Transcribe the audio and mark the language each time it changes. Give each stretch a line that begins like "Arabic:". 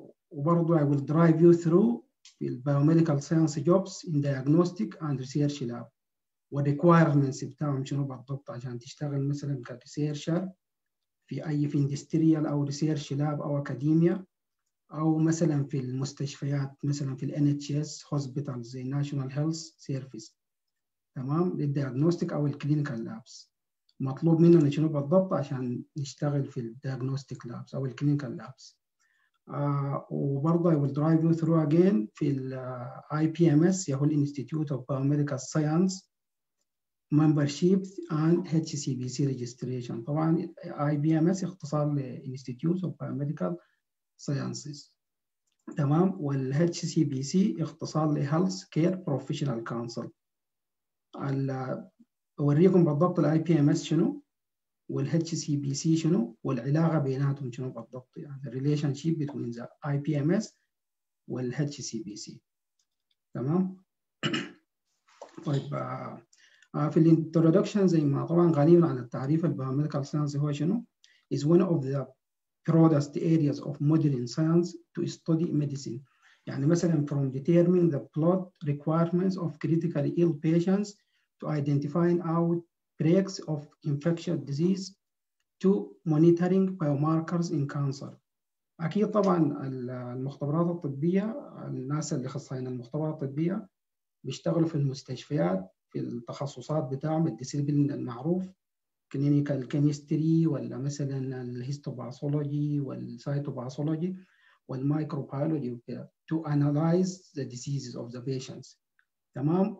Arabic: وبرضو
English: I will drive you through the biomedical science jobs in diagnostic and research lab
Arabic: والrequirements بتاعهم شنو بالضبط عشان تشتغل مثلا كresearcher في أي في industrial أو
English: research lab
Arabic: أو academia أو مثلا في المستشفيات مثلا في
English: NHS hospitals
Arabic: زي
English: national health service
Arabic: تمام للdiagnostic أو
English: clinical labs
Arabic: مطلوب مننا شنو بالضبط عشان نشتغل في
English: diagnostic labs
Arabic: أو clinical labs. وبرضه
English: I will drive you through again في الـ IPMS
Arabic: يهو
English: الـ Institute of Biomedical Science Membership and HCBC Registration.
Arabic: طبعا IPMS اختصار لـ Institute of Biomedical Sciences تمام والـ HCBC اختصار لـ Health Care Professional Council. أوريكم بالضبط الـ IPMS شنو وال HCBC شنو والعلاقة بيناتهم شنو بالضبط يعني
English: the relationship between the IPMS
Arabic: وال HCBC تمام. طيب في الانترودكشن زي ما طبعا غنينا عن التعريف البيوميديكال ساينس هو شنو
English: is one of the broadest areas of modern science to study medicine
Arabic: يعني مثلا
English: from determining the blood requirements of critically ill patients to identifying out breaks of infectious disease to monitoring biomarkers in cancer.
Arabic: أكيد طبعاً المختبرات الطبية الناس اللي خصائين المختبرات الطبية بيشتغلوا في المستشفيات في التخصصات بتاعهم الديسيبلين المعروف كلينيكال كيمستري ولا مثلاً الهيستوباثولوجي والسايتوباثولوجي والمايكروبيولوجي
English: to analyze the diseases of the patients
Arabic: تمام.